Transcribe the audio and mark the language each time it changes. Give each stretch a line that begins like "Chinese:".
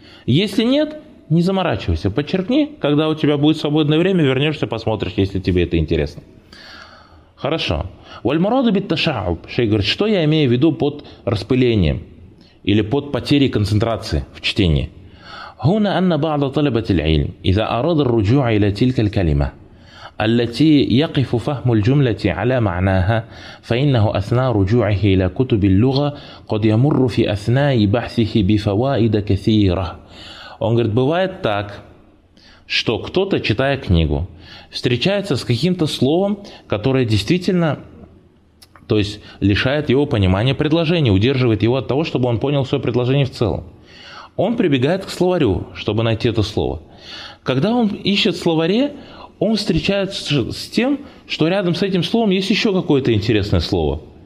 Russian: Если нет, не заморачивайся. Подчеркни, когда у тебя будет свободное время, вернешься, посмотришь, если тебе это интересно. Хорошо.
Arabic: Вальмураду битташауб.
Russian: Шейх говорит, что я имею в виду под распылением или под потерей концентрации в чтении?
Arabic: Хуна анна ба'да талабати аль-ильм иза арада ар-руджу'а иля тилькаль калима. التي يقف فهم الجملة على معناها فإنه أثناء رجوعه إلى كتب اللغة قد يمر في أثناء بحثه بفوائد كثيرة.
Russian: Он говорит, бывает так, что кто-то, читая книгу, встречается с каким-то словом, которое действительно, то есть лишает его понимания предложения, удерживает его от того, чтобы он понял свое предложение в целом. Он прибегает к словарю, чтобы найти это слово. Когда он ищет в словаре, он встречается с тем, что рядом с этим словом есть еще какое-то интересное слово.